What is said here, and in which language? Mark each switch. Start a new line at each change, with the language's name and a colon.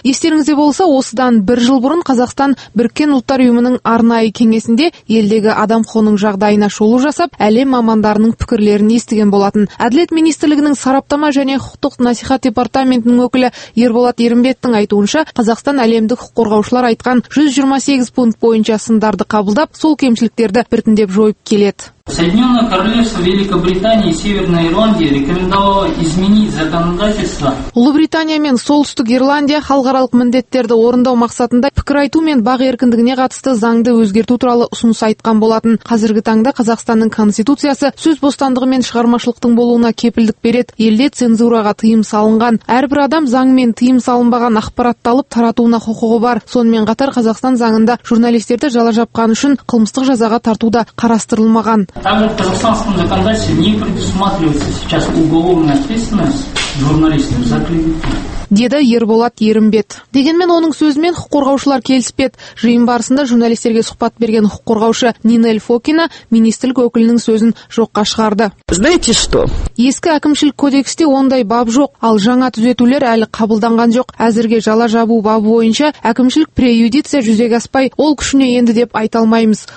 Kazakh: Естеріңізде болса, осыдан бір жыл бұрын Қазақстан Біріккен ұлттар ұйымының арнайы кеңесінде елдегі адам құқығының жағдайына шолу жасап, әлем мамандарының пікірлерін естіген болатын. Әділет министрлігінің сараптама және құқықтық насихат департаментінің өкілі Ерболат Ерімбеттің айтуынша, Қазақстан әлемдік құқық қорғаушылар айтқан 128 пункт бойынша сындарды қабылдап, сол кемшілік біртіндеп жойып келеді.
Russian: Соединенное Королевство Великобритании и Северной Ирландии рекомендовало изменить законодательство.
Kazakh: Ұлыбритания мен Солтүстік Ирландия халықаралық міндеттерді орындау мақсатында пікір айту мен бақ еркіндігіне қатысты заңды өзгерту туралы ұсыныс айтқан болатын. Қазіргі таңда Қазақстанның конституциясы сөз бостандығы мен шығармашылықтың болуына кепілдік береді. Елде цензураға тыйым салынған. Әрбір адам заңмен тыйым салынбаған ақпараттылып таратуына құқығы бар. Сонымен қатар Қазақстан заңында журналистерді жала жапқан үшін қылмыстық жазаға тарту да қарастырылмаған.
Russian: Также в казахстанском законодательстве не предусматривается сейчас уголовная ответственность журналистов за клевету.
Kazakh: Деді Ерболат Ерімбет. Дегенмен оның сөзімен құқық қорғаушылар келіспеді. Жиын барысында журналистерге сұхбат берген құқық қорғаушы Нинель Фокина министрлік өкілінің сөзін жоққа шығарды.
Russian: Знаете что?
Kazakh: Ескі әкімшілік кодексте ондай бап жоқ, ал жаңа түзетулер әлі қабылданған жоқ. Әзірге жала жабу бабы бойынша әкімшілік преюдиция жүзеге аспай, ол күшіне енді деп айта алмаймыз.